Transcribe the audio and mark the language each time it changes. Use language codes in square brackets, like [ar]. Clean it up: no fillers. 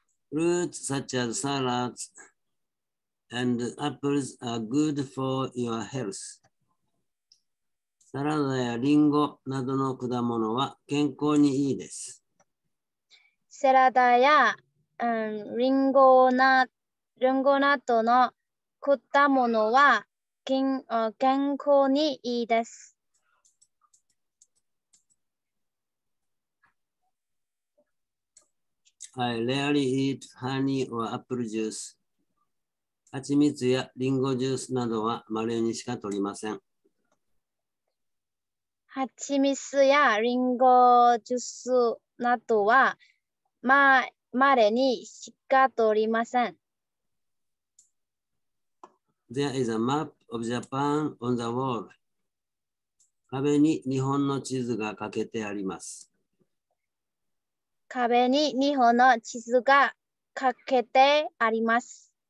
[en] Fruits such as salads and apples are good for your health. [ja] サラダやリンゴなどの果物は健康にいいです。サラダやリンゴなどの食ったものは健康にいいです。 [en] I rarely eat honey or apple juice. [ja] 蜂蜜やリンゴジュースなどはまれにしか取りません。蜂蜜やリンゴジュースなどはまれにしか取りません。 [en] There is a map of Japan on the wall. [ja] 壁に日本の地図がかけてあります。壁に日本の地図がかけてあります。